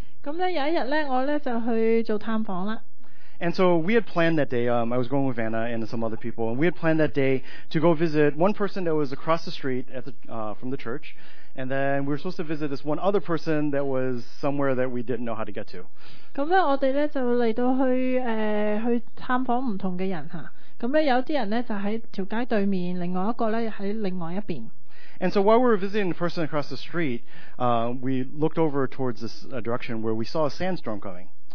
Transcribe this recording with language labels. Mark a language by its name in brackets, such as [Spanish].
[Cantonese] 咁咧有一日咧，我咧就去做探訪啦。 [English] And so we had planned that day, I was going with Anna and some other people, and we had planned that day to go visit one person that was across the street at the, from the church, and then we were supposed to visit this one other person that was somewhere that we didn't know how to get to. [Cantonese] 咁呢我哋呢就嚟到去探訪唔同嘅人。咁呢有啲人呢就喺條街對面, 另外一個呢喺另外一邊。 [English] And so while we were visiting the person across the street, we looked over towards this direction where we saw a sandstorm coming.